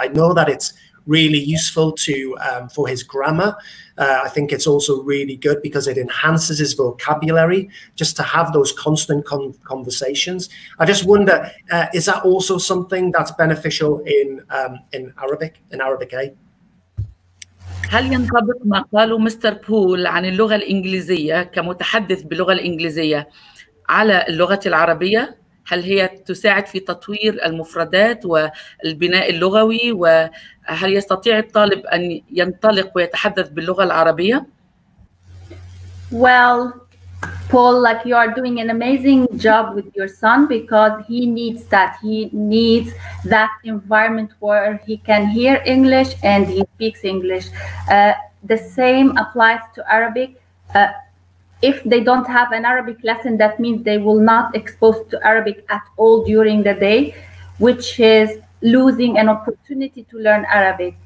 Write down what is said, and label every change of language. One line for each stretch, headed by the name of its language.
English: I know that it's really useful to for his grammar. I think it's also really good because it enhances his vocabulary just to have those constant conversations. I just wonder, is that also something that's beneficial in Arabic, A?
Arabic: هل ينطبق ما قاله مستر بول عن اللغة الإنجليزية كمتحدث باللغة الإنجليزية على اللغة العربية؟ هل هي تساعد في تطوير المفردات والبناء اللغوي؟ وهل يستطيع الطالب أن ينطلق ويتحدث باللغة العربية؟
English: Well, Paul, like you are doing an amazing job with your son because he needs that. He needs that environment where he can hear English and he speaks English. The same applies to Arabic. If they don't have an Arabic lesson, that means they will not expose to Arabic at all during the day, which is losing an opportunity to learn Arabic.